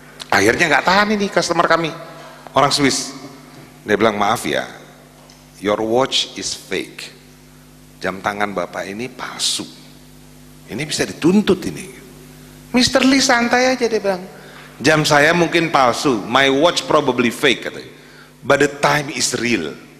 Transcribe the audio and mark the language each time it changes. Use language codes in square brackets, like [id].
[id] Akhirnya gak tahan ini customer kami, orang Swiss. Dia bilang, maaf ya, [en] your watch is fake. [id] Jam tangan Bapak ini palsu. Ini bisa dituntut ini. Mr. Lee santai aja, dia bilang. Jam saya mungkin palsu, [en] my watch probably fake, [id] katanya. [en] But the time is real.